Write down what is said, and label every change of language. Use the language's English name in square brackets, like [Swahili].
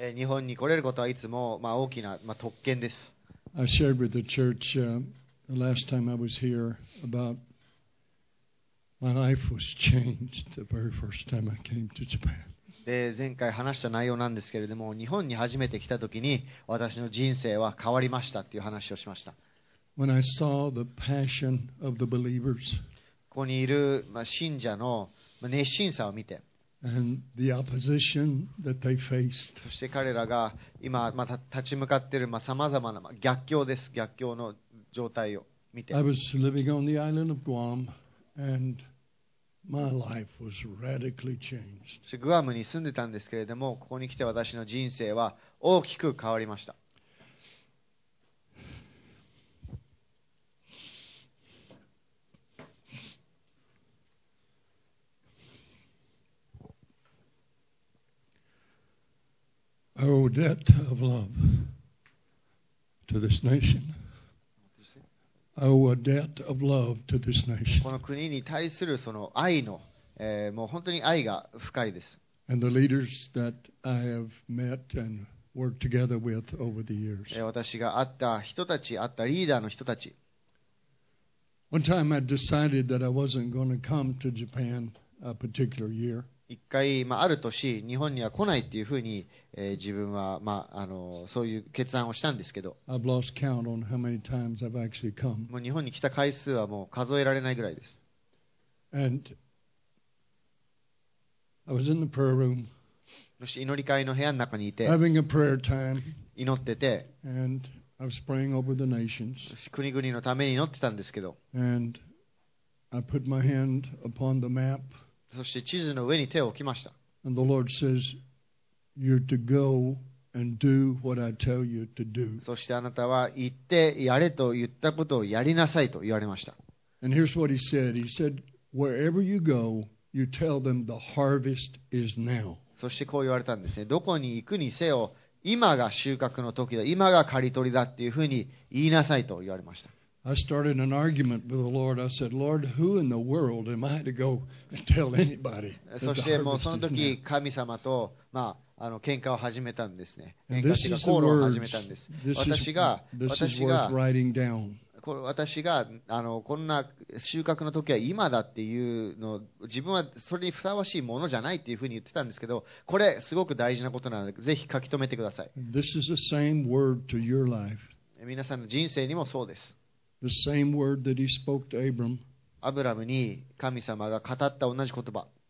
[Japanese] 日本に来れることはいつも大きな特権です。 [English] I shared with the church the last time I was here about. My life was changed the very first time I came to Japan. [Japanese] で、前回話した内容なんですけれども、日本に初めて来た時に私の人生は変わりましたっていう話をしました。 [English] When I saw the passion of the believers, [Japanese] ここにいる信者の熱心さを見て、 [English] and the opposition that they faced, [Japanese] そして彼らが今立ち向かっているさまざまな逆境です、逆境の状態を見て、 [English] I was living on the island of Guam. And my life was radically changed. [Japanese] グアムに住んでたんですけれども、ここに来て私の人生は大きく変わりました。 [English] I owe debt of love to this nation. I owe a debt of love to this nation. [Japanese] この国に対するその愛の、もう本当に愛が深いです。 [English] And the leaders that I have met and worked together with over the years. [Japanese] 私が会った人たち、会ったリーダーの人たち。 [English] One time I decided that I wasn't going to come to Japan a particular year. [Japanese] 一回、ある年、日本には来ないっていうふうに、自分は、そういう決断をしたんですけど、 [English] I've lost count on how many times I've actually come. [Japanese] もう日本に来た回数はもう数えられないぐらいです。 [English] And I was in the prayer room. [Japanese] もし祈り会の部屋の中にいて、 [English] having a prayer time. [Japanese] 祈ってて、 [English] And I was praying over the nations. [Japanese] 国々のために祈ってたんですけど、 [English] And I put my hand upon the map. [Japanese] そして地図の上に手を置きました。 [English] And the Lord says, "You're to go and do what I tell you to do." [Japanese] そしてあなたは行ってやれと言ったことをやりなさいと言われました。 [English] And here's what he said. He said, "Wherever you go, you tell them the harvest is now." [Japanese] そしてこう言われたんですね。どこに行くにせよ、今が収穫の時だ、今が刈り取りだっていうふうに言いなさいと言われました。 [English] I started an argument with the Lord. I said, Lord, who in the world am I to go and tell anybody? [Japanese] そしてもうその時神様と、まあ、あの喧嘩を始めたんですね。喧嘩というか口論を始めたんです。私が、あの、こんな収穫の時は今だっていうのを、自分はそれにふさわしいものじゃないっていうふうに言ってたんですけど、これすごく大事なことなので、ぜひ書き留めてください。 [English] This is the same word to your life. [Japanese] 皆さんの人生にもそうです。 [English] The same word that he spoke to Abram. [Japanese] アブラムに神様が語った同じ言葉。